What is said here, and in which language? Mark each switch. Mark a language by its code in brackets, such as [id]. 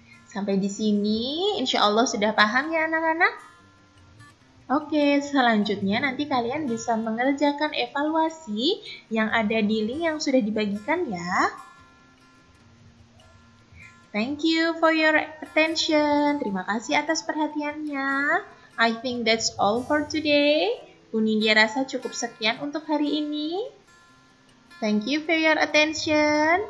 [id] Sampai di sini, insya Allah sudah paham ya anak-anak? Oke, selanjutnya nanti kalian bisa mengerjakan evaluasi yang ada di link yang sudah dibagikan ya. [en] Thank you for your attention. [id] Terima kasih atas perhatiannya. [en] I think that's all for today. [id] Bu Nindya rasa cukup sekian untuk hari ini. [en] Thank you for your attention.